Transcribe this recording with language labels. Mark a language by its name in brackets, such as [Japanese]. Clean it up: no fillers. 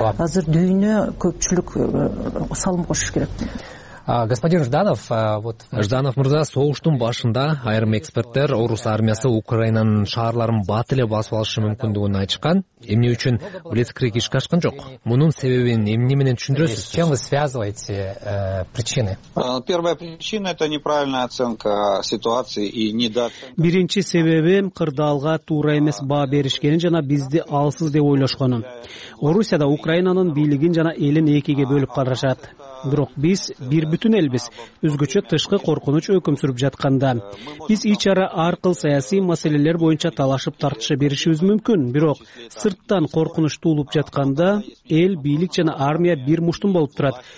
[Kyrgyz] Азыр дүйнө көпчүлүк салым кошуш керек. [Russian] Господин Жданов, вот [Kyrgyz] Жданов мырза, согуштун башында айрым эксперттер орус армиясы Украинанын шаарларын бат эле басып алышы мүмкүндүгүн айтышкан. Эмне үчүн блицкриг ишке ашкан жок? Мунун себебин эмне менен түшүндүрөсүз? [Russian] Чем вы связываете причины? Первая причина — это неправильная оценка ситуации и недооценка. [Kyrgyz] Биринчи себеби кырдаалга туура эмес баа беришкени жана бизди алсыз деп ойлошкону. Орусияда Украинанын бийлигин жана элин экиге бөлүп карашат. Бирок биз бир бүтүн элбиз. Өзгөчө тышкы коркунуч өкүм сүрүп жатканда биз ич ара ар кыл саясий маселелер боюнча талашып тартыша беришибиз мүмкүн, бирок сырттан коркунуч туулуп жатканда эл, бийлик жана армия бир муштун болуп турат.